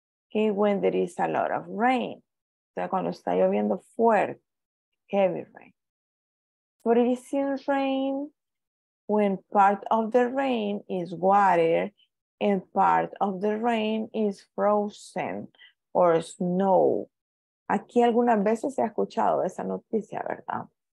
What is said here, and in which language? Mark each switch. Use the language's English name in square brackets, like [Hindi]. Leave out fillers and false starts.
[English] Okay, when there is a lot of rain. [Spanish] O sea, cuando está lloviendo fuerte, [English] heavy rain. Freezing rain, when part of the rain is water and part of the rain is frozen or snow. [Spanish] Aquí algunas veces se ha escuchado esa noticia, ¿verdad?